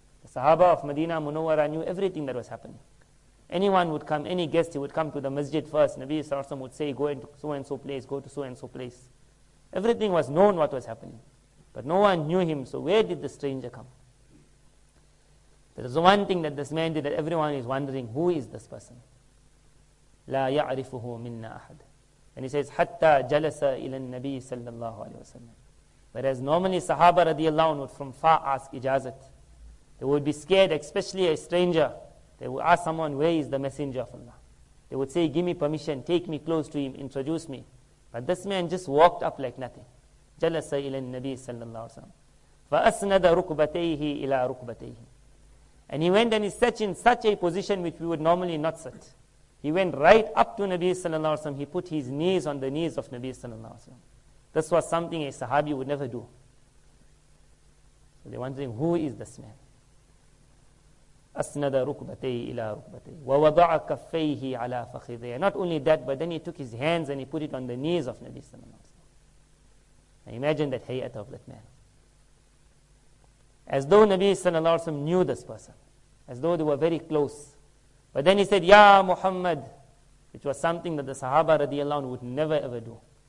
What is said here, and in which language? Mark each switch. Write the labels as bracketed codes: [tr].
[en] The Sahaba of Medina Munawwara knew everything that was happening. Anyone would come, any guest, he would come to the masjid first. Nabi Sallallahu Alaihi Wasallam would say, go into so-and-so place, go to so-and-so place. Everything was known what was happening. But no one knew him, so where did the stranger come? There is one thing that this man did that everyone is wondering, who is this person? [ar] لا يعرفه منا أحد. [en] And he says, [ar] حتى جلس إلى النبي صلى الله عليه وسلم. [en] Whereas normally Sahaba رضي الله عنه would from far ask ijazat. They would be scared, especially a stranger. They would ask someone, where is the messenger of Allah? They would say, give me permission, take me close to him, introduce me. But this man just walked up like nothing. [ar] جلس إلى النبي صلى الله عليه وسلم. فأسند ركبتيه إلى ركبتيه. [en] And he went and he sat in such a position which we would normally not sit. He went right up to Nabi sallallahu alaihi wasallam. He put his knees on the knees of Nabi sallallahu alaihi wasallam. This was something a Sahabi would never do. So they're wondering, who is this man? [ar] أسند ركبتي إلى ركبتي ووضع كفيه على فخذيه. [en] Not only that, but then he took his hands and he put it on the knees of Nabi sallallahu alaihi wasallam. Now imagine that hay'at of that man. As though Nabi sallallahu alaihi wasallam knew this person, as though they were very close. But then he said, Ya Muhammad, which was something that the Sahaba radiallahu anhu would never ever do.